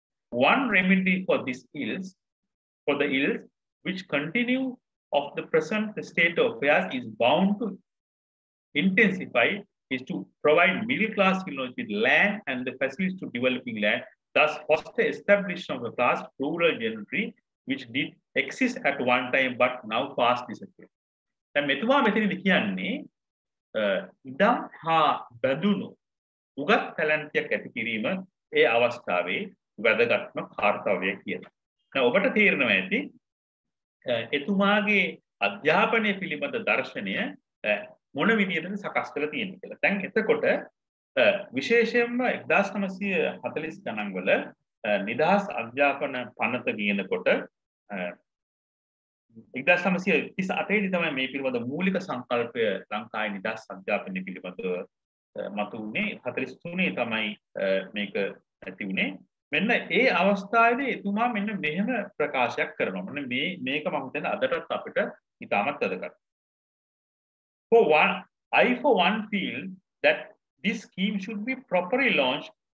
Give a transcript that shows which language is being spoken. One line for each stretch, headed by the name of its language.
English: One remedy for this ills, for the ills which continue of the present state of affairs is bound to intensify, is to provide middle class Ceylonians with land and the facilities to developing land, thus foster establishment of a class rural gentry which did exist at one time but now fast disappeared.
Sinhala: දැන් මෙතුමා මෙතනදි කියන්නේ ඉඩම් හා බැඳුණු උගත් පැලැන්තියක් ඇති කිරීම ඒ අවස්ථාවේ වැදගත්ම කාර්තව්‍යය කියලා. දැන් ඔබට තේරෙනවා ඇති එතුමාගේ අධ්‍යාපනය පිළිබඳ දර්ශනය මොන විදිහටද සකස් කරලා තියෙන්නේ කියලා. දැන් එතකොට විශේෂයෙන්ම 1940 ගණන්වල නිදහස් අධ්‍යාපන පනත ගිනකොට 1938 දී තමයි මේ පිළිබඳ මූලික සංකල්පය ලංකාවේ නිදහස් අධ්‍යාපනය පිළිබඳව මතුවුනේ. 43 තමයි මේක ඇති වුනේ. මෙන්න ඒ අවස්ථාවේදී එතුමා මෙන්න මෙහෙම ප්‍රකාශයක් කරනවා. මොන මේක මම හිතන්නේ අදටත් අපිට ඉතාමත් වැදගත්.
English: For one feel that this scheme should be properly launched.